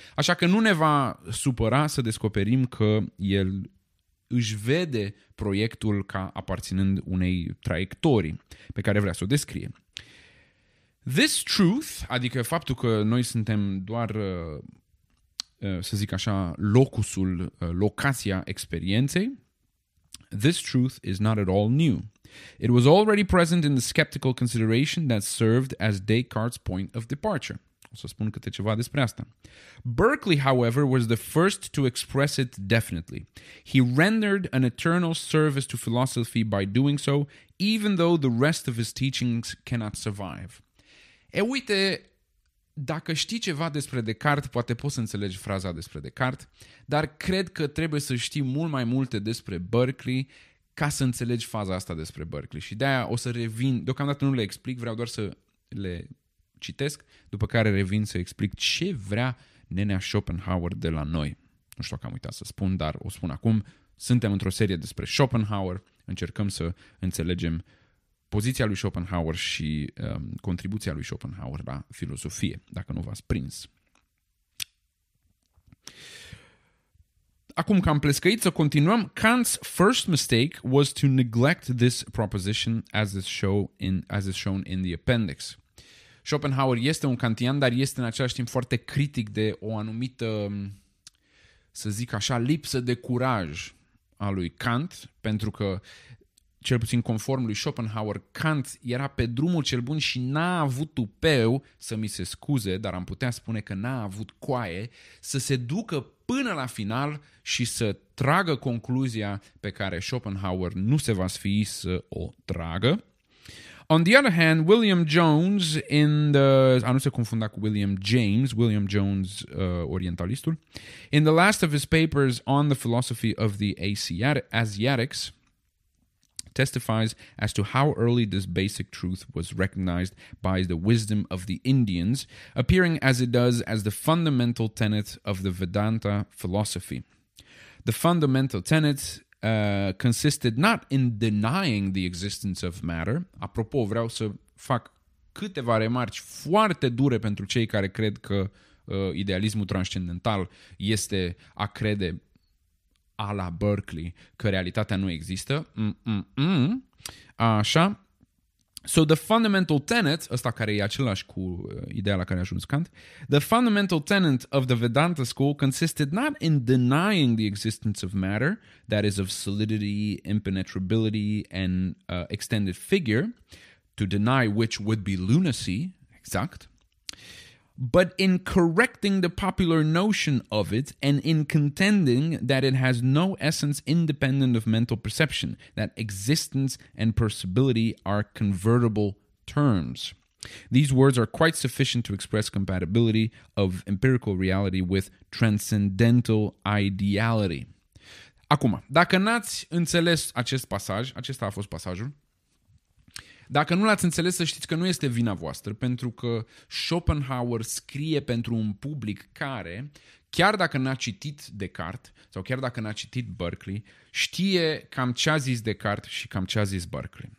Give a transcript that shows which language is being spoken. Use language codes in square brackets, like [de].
[ro] Așa că nu ne va supăra să descoperim că el își vede proiectul ca aparținând unei traiectorii pe care vrea să o descrie. [en] This truth, [ro] adică faptul că noi suntem doar, să zic așa, locusul, locația experienței, [en] this truth is not at all new. It was already present in the skeptical consideration that served as Descartes' point of departure. [ro] O să spun câte ceva despre asta. [en] Berkeley, however, was the first to express it definitely. He rendered an eternal service to philosophy by doing so, even though the rest of his teachings cannot survive. [ro] E, uite, dacă știi ceva despre Descartes, poate poți să înțelegi fraza despre Descartes, dar cred că trebuie să știi mult mai multe despre Berkeley ca să înțelegi faza asta despre Berkeley. Și de-aia o să revin, deocamdată nu le explic, vreau doar să le citesc, după care revin să explic ce vrea nenea Schopenhauer de la noi. Nu știu că am uitat să spun, dar o spun acum. Suntem într-o serie despre Schopenhauer, încercăm să înțelegem poziția lui Schopenhauer și contribuția lui Schopenhauer la filozofie, dacă nu v-ați prins. Acum că am plescăit, să continuăm. [en] Kant's first mistake was to neglect this proposition as is shown in the appendix. [ro] Schopenhauer este un kantian, dar este în același timp foarte critic de o anumită, să zic așa, lipsă de curaj a lui Kant, pentru că cel puțin conform lui Schopenhauer, Kant era pe drumul cel bun și n-a avut tupeu, să mi se scuze, dar am putea spune că n-a avut coaie, să se ducă până la final și să tragă concluzia pe care Schopenhauer nu se va sfii să o tragă. [en] On the other hand, William Jones, orientalistul, in the last of his papers on the philosophy of the Asiatics, testifies as to how early this basic truth was recognized by the wisdom of the Indians, appearing as it does as the fundamental tenet of the Vedanta philosophy. The fundamental tenet consisted not in denying the existence of matter. [ro] Apropo, vreau să fac câteva remarci foarte dure pentru cei care cred că idealismul transcendental este a crede a la Berkeley, că realitatea nu există. Așa. [en] So the fundamental tenet, [ro] ăsta care e același cu ideea la care a ajuns Kant, [en] the fundamental tenet of the Vedanta school consisted not in denying the existence of matter, that is of solidity, impenetrability, and extended figure, to deny which would be lunacy, [ro] exact, [en] but in correcting the popular notion of it and in contending that it has no essence independent of mental perception, that existence and perceivability are convertible terms. These words are quite sufficient to express compatibility of empirical reality with transcendental ideality. [ro] Acum, dacă n-ați înțeles acest pasaj, acesta a fost pasajul, dacă nu l-ați înțeles, să știți că nu este vina voastră, pentru că Schopenhauer scrie pentru un public care, chiar dacă n-a citit Descartes sau chiar dacă n-a citit Berkeley, știe cam ce a zis Descartes și cam ce a zis Berkeley.